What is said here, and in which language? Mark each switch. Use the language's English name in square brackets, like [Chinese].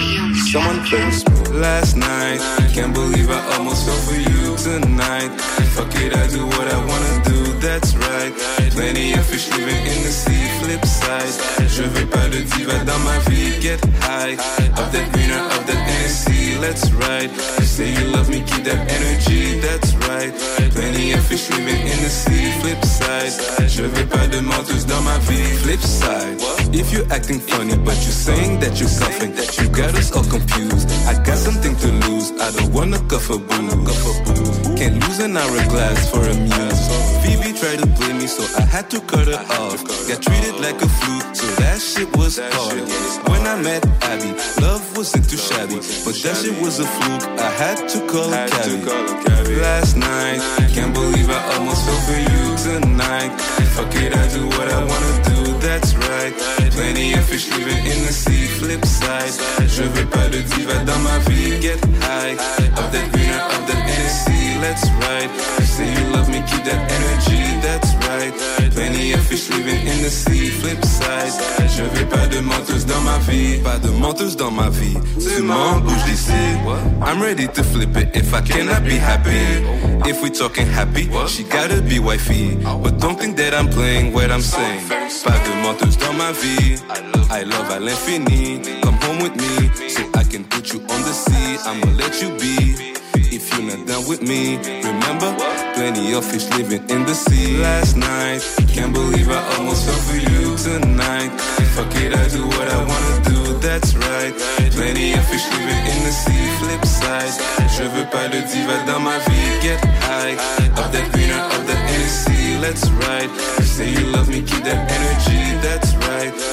[English] Last night, can't believe I almost fell for you tonight. Fuck it, I do what I wanna do, that's right. Plenty of fish living in the sea, flip side. [French] Je veux pas de diva dans ma vie, [English] get high. Of that greener, of that NSC, let's ride. Say you love me, keep that energy, that's right. Plenty of fish living in the sea, flip side. [French] Je veux pas de menteuse dans ma vie, [English] flip side. If you're acting funny, but you're saying that you're cuffing, that you got us all confused. I got something to lose, I don't wanna cuff a booze. Can't lose an hourglass for a muse. Phoebe tried to play me, so I had to cut her off. Got treated like a fluke, so that shit was hard. When I met Abby, love wasn't too shabby. But that shit was a fluke, I had to call a cabbie. Last night, can't believe I almost fell for you tonight. Fuck it, I do what I wanna do, that's right. Plenty of fish living in the sea, flip side. [French] Je veux pas de diva dans ma vie, [English] get high. Of that greener, of that NSC, let's ride. Say you love me, keep that energy, that's right. Plenty of fish living in the sea, flip side. [French] Je veux pas de menteuse dans ma vie. Pas de menteuse dans ma vie. Tu m'en bouge d'ici. [English] I'm ready to flip it if I cannot be happy. If we talking happy, she gotta be wifey. But don't think that I'm playing what I'm saying. [French] Pas de menteuse dans ma vie. [English] I love [French] à l'infini. [English] Come home with me so I can put you on the sea. I'ma let you be. If you're not done with me, remember, plenty of fish living in the sea. Last night, can't believe I almost fell for you tonight. Fuck it, I do what I wanna do, that's right. Plenty of fish living in the sea, flip side. [French] Je veux pas de diva dans ma vie, [English] get high. Of that greener, of that NSC, let's ride. Say you love me, keep that energy, that's right.